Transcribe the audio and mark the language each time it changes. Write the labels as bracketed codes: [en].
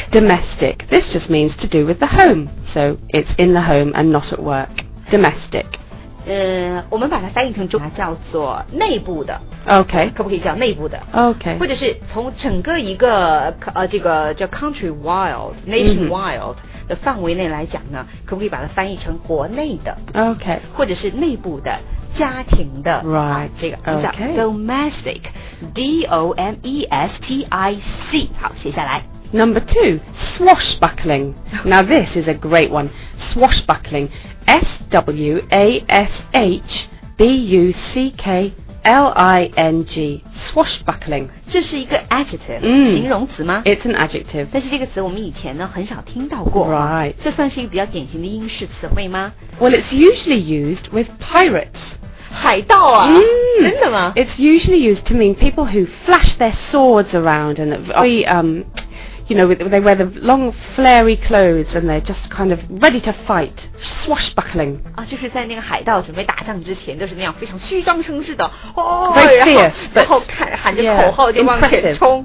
[en] Domestic This just means to do with the home So it's in the home and not at work Domestic [zh] 我们把它翻译成中文叫做内部的 [en] OK [zh] 可不可以叫内部的 [en] OK [zh] 或者是从整个一个这个叫 [en] country wild Nation wild、 [zh] mm-hmm. 的范围内来讲呢可不可以把它翻译成国内的 [en] OK [zh] 或者是内部的家庭的 [en] right、 [zh] 这个叫、 [en] okay. domestic D-O-M-E-S-T-I-C [zh] 好写下来 [en] number two swashbuckling now this is a great one swashbuckling S-W-A-S-H-B-U-C-K-L-I-N-G swashbuckling [zh] 这是一个 adjective、形容词吗 [en] it's an adjective [zh] 但是这个词我们以前呢很少听到过 [en] right [zh] 这算是一个比较典型的英式词汇吗 [en] well it's usually used with pirates [zh] 海盗啊、真的吗 [en] It's usually used to mean people who flash their swords around and very, you know, they wear the long flary clothes and they're just kind of ready to fight, swashbuckling. [zh] 啊，就是在那个海盗准备打仗之前，都是那样非常虚张声势的，哦， [en] very fierce, [zh] 然后看喊着口号就往前冲，